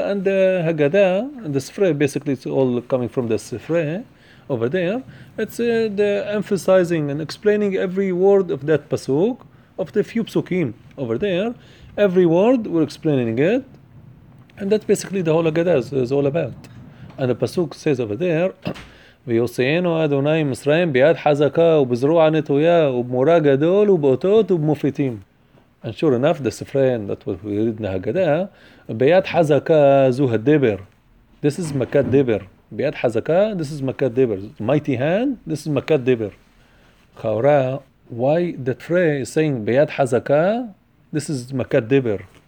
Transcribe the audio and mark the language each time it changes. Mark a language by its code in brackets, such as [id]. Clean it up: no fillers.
[en] And the Haggadah, the Sifre, basically it's all coming from the Sifre over there. It's the emphasizing and explaining every word of that pasuk, of the few psukim over there. Every word, we're explaining it. And that's basically the whole Haggadah is all about. [he] And the pasuk says over there, ויוסיינו אדוני מצרים ביד חזקה ובזרוע נטויה ובמורה גדול ובאותות ובמופתים. [en] And sure enough, the Sifre, that what we read in the Haggadah, [he] Beyat Hazaka Zuhad Deber. [en] This is Makat Deber. [he] Beyat Hazaka, [en] this is Makat Deber. Mighty hand, this is Makat Deber. Chaura, why the Torah is saying [he] Beyat Hazaka, [en] this is Makat Deber?